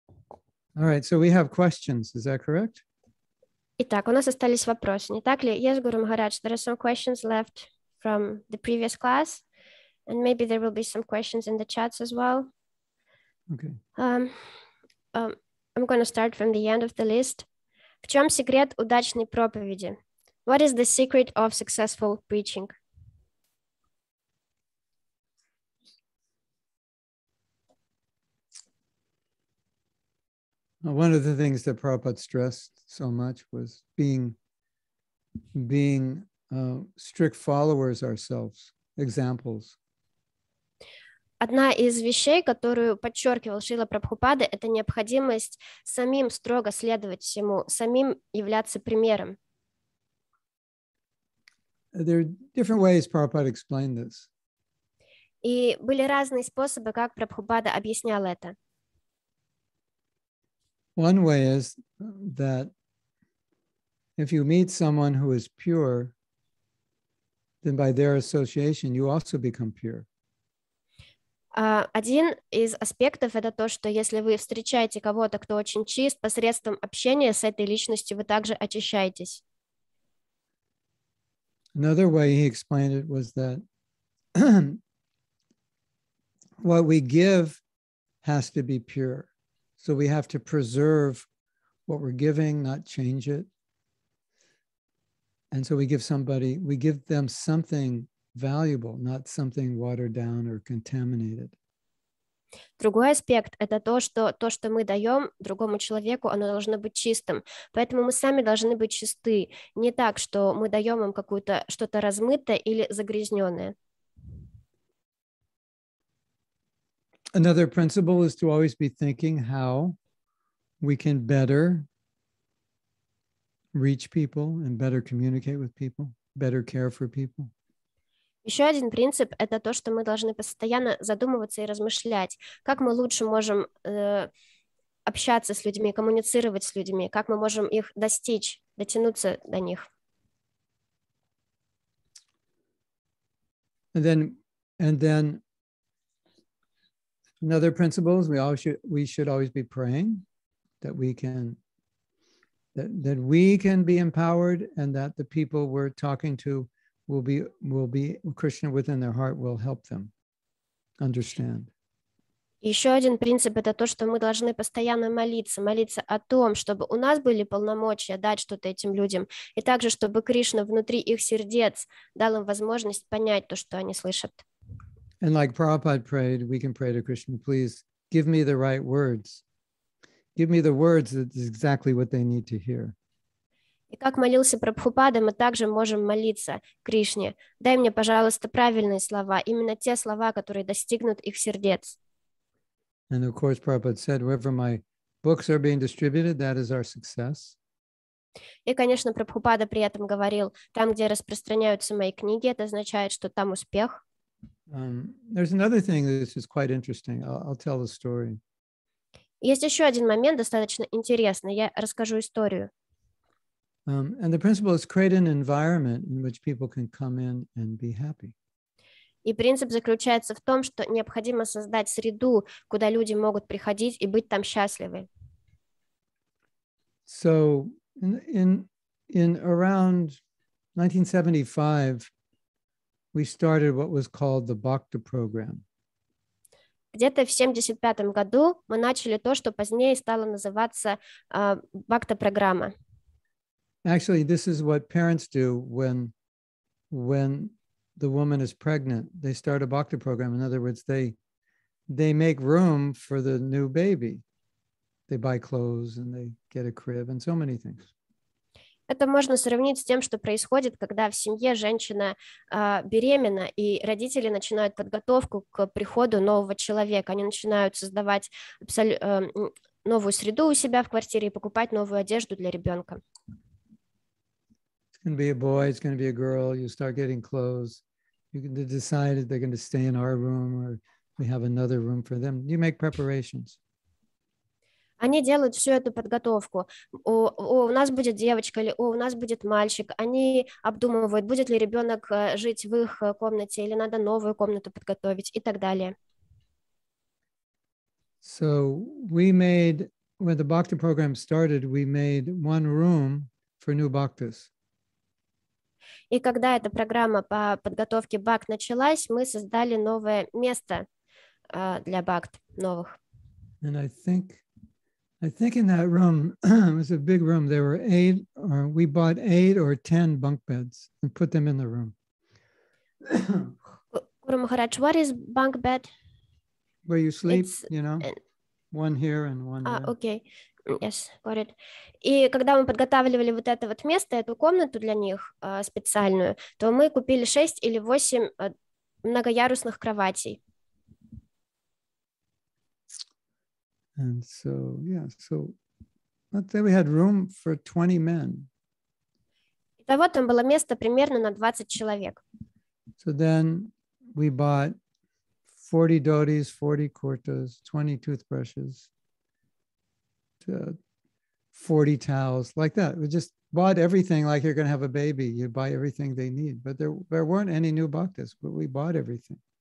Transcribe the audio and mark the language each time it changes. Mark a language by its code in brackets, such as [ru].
[en] All right, so we have questions, is that correct? [ru] Итак, у нас остались вопросы, не так ли? [en] Yes, Guru Maharaj, there are some questions left from the previous class, and maybe there will be some questions in the chats as well. Okay. I'm going to start from the end of the list. [ru] В чем секрет удачной проповеди? [en] What is the secret of successful preaching? One of the things that Prabhupada stressed so much was being strict followers ourselves, examples. [ru] Одна из вещей, которую подчеркивал Шрила Прабхупада, это необходимость самим строго следовать всему, самим являться примером. [en] There are different ways Prabhupada explained this. [ru] И были разные способы, как Прабхупада объяснял это. [en] One way is that if you meet someone who is pure, then by their association you also become pure. [ru] Один из аспектов это то, что если вы встречаете кого-то, кто очень чист, посредством общения с этой личностью вы также очищаетесь. [en] Another way he explained it was that what we give has to be pure. So we have to preserve what we're giving, not change it. And so we give them something valuable, not something watered down or contaminated. [ru] Другой аспект – это то, что мы даем другому человеку, оно должно быть чистым. Поэтому мы сами должны быть чисты. Не так, что мы даем им какое-то что-то размытое или загрязненное. [en] Another principle is to always be thinking how we can better reach people and better communicate with people, better care for people. [ru] Еще один принцип – это то, что мы должны постоянно задумываться и размышлять, как мы лучше можем общаться с людьми, коммуницировать с людьми, как мы можем их достичь, дотянуться до них. [en] And then another principle is we should always be praying that we can be empowered and that the people we're talking to will be Krishna within their heart will help them understand. [ru] Еще один принцип это то, что мы должны постоянно молиться о том, чтобы у нас были полномочия дать что-то этим людям, и также чтобы Кришна внутри их сердец дал им возможность понять то, что они слышат. [en] And like Prabhupada prayed, we can pray to Krishna, please give me the right words. Give me the words that is exactly what they need to hear. [ru] И как молился Прабхупада, мы также можем молиться Кришне. Дай мне, пожалуйста, правильные слова, именно те слова, которые достигнут их сердец. [en] And of course, Prabhupada said, wherever my books are being distributed, that is our success. [ru] И, конечно, Прабхупада при этом говорил, там, где распространяются мои книги, это означает, что там успех. [en] There's another thing that is quite interesting. I'll tell the story. [ru] Есть еще один момент, достаточно интересный. Я расскажу историю. [en] And the principle is create an environment in which people can come in and be happy. [ru] И принцип заключается в том, что необходимо создать среду, куда люди могут приходить и быть там счастливы. [en] So in around 1975 we started what was called the Bhakta program. [ru] Где-то в 75-м году мы начали то, что позднее стало называться Бхакта-программа. [en] Actually, this is what parents do when the woman is pregnant. They start a Bhakta program. In other words, they make room for the new baby. They buy clothes and they get a crib and so many things. [ru] Это можно сравнить с тем, что происходит, когда в семье женщина беременна, и родители начинают подготовку к приходу нового человека. Они начинают создавать новую среду у себя в квартире и покупать новую одежду для ребенка. [en] It's going to be a boy, it's going to be a girl. You start getting clothes. You can decide if they're going to stay in our room or we have another room for them. You make preparations. [ru] Они делают всю эту подготовку. У нас будет девочка или у нас будет мальчик. Они обдумывают, будет ли ребенок жить в их комнате или надо новую комнату подготовить и так далее. [en] So we made, when the Bhakta program started, we made one room for new Bhaktas. [ru] И когда эта программа по подготовке Бхакт началась, мы создали новое место для Бхакт новых. [en] And I think in that room, it was a big room, there were eight, or we bought 8 or 10 bunk beds and put them in the room. Guru Maharaj, what is bunk bed? Where you sleep, it's, you know, one here and one there. Okay, yes, got it. [ru] И когда мы подготавливали вот это вот место, эту комнату для них специальную, то мы купили 6 или 8 многоярусных кроватей. [en] And so, yeah, so but then we had room for 20 men. [ru] Итого там было место примерно на 20 человек. [en] So then we bought 40 dhotis, 40 kurtas, 20 toothbrushes, 40 towels, like that. We just bought everything like you're going to have a baby. You buy everything they need. But there weren't any new bhaktas, but we bought everything.